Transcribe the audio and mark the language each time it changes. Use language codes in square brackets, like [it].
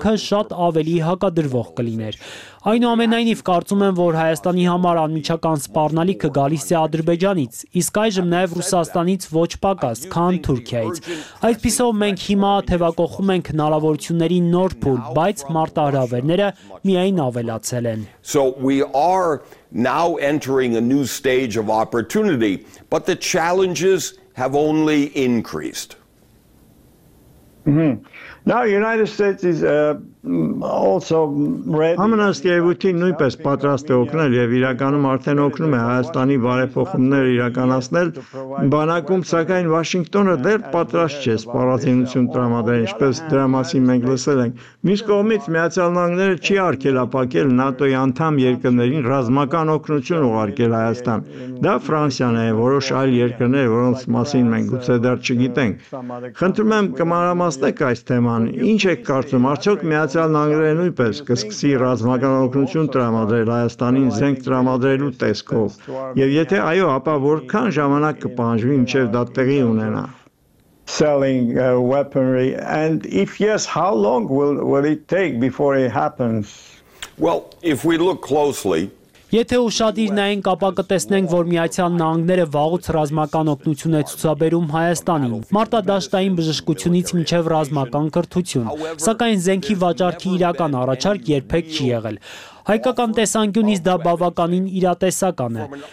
[hy] կյանքը շատ ավելի հակադրվող կլիներ։ Այնուամենայնիվ կարծում եմ, որ Հայաստանի համար անմիջական սպառնալիքը գալիս է Ադրբեջանից, իսկ այժմ նաև Ռուսաստանից ոչ պակաս, քան Թուրքիայից։ Այդպիսով մենք հիմա թևակողում ենք հնարավորությունների նոր փուլ, բայց մարտահրավերները միայն ավելացել են։ [en] So we are now entering a new stage of opportunity, but the challenges have only increased. Now United States is also ready. [hy] Համանասկերություն նույնպես պատրաստ է օգնել եւ իրականում արդեն օգնում է Հայաստանի բարեփոխումներ իրականացնել բանակում, սակայն Վաշինգտոնը դեռ պատրաստ չէ սպառազինություն տրամադրել, ինչպես դրա մասին մենք լսել ենք։ Մյուս կողմից Միացյալ Նահանգները չի արգելապակել ՆԱՏՕ-ի անդամ երկրներին ռազմական օգնություն ուղարկել Հայաստան։ Դա Ֆրանսիան է, որոշ այլ երկրներ, որոնց մասին մենք գուցե դեռ չգիտենք։ Խնդրում եմ կմանրամասնեք այս թեման։ Ինչ եք կարծում, արդյոք Միացյալ Նահանգները նույնպես կսկսի ռազմական օգնություն տրամադրել Հայաստանին զենք տրամադրելու տեսքով, եւ եթե այո, ապա որքան ժամանակ կպահանջվի, մինչեւ դա տեղի ունենա? [en] Selling weaponry, and if yes, how long will it take before it happens? Well, if we look closely, [hy] եթե ուշադիր նայենք, ապա կտեսնենք, որ Միացյալ Նահանգները վաղուց ռազմական օգնություն է ցուցաբերում Հայաստանին, մարտադաշտային բժշկությունից մինչև ռազմական կրթություն, սակայն զենքի վաճարքի իրական առաջարկ երբեք չի եղել։ Հայկական տեսանկյունից դա բավականին իրատեսական է։